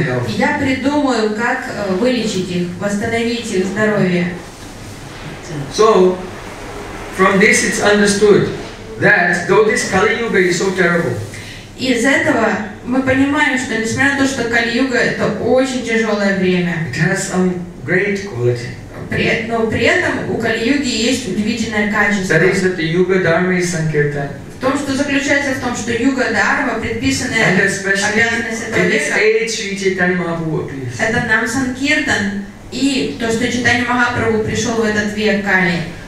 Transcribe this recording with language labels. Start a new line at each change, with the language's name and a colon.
Russian: Я придумаю, как вылечить их, восстановить их здоровье.
English: So, from this it's understood that though this Kali-Yuga is so terrible.
Russian: Из этого мы понимаем, что несмотря на то, что Кали-Юга это очень тяжелое время.
English: It has some great quality.
Russian: Но при этом у Кали-юги есть удивительное качество.
English: That is that the Yuga Dharma is Sankirtan.
Russian: В том, что заключается в том, что Юга Дарма предписанная обязанность этого века. Это нам Санкиртан. И то, что Чайтанья Махапрабху пришел в этот век Кали.